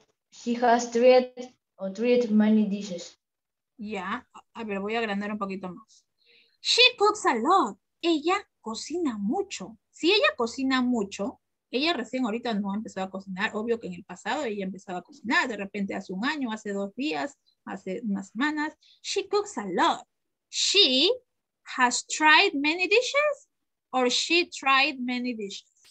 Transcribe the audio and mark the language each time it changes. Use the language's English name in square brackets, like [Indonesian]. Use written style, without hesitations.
[English] She has treated many dishes. [Spanish] Yeah. A ver, voy a agrandar un poquito más. [English] She cooks a lot. [Spanish] Ella cocina mucho. Si ella cocina mucho, ella recién ahorita no ha empezado a cocinar. Obvio que en el pasado ella empezaba a cocinar. De repente hace un año, hace 2 días, hace unas semanas. [English] She cooks a lot. She has tried many dishes. Or she tried many dishes.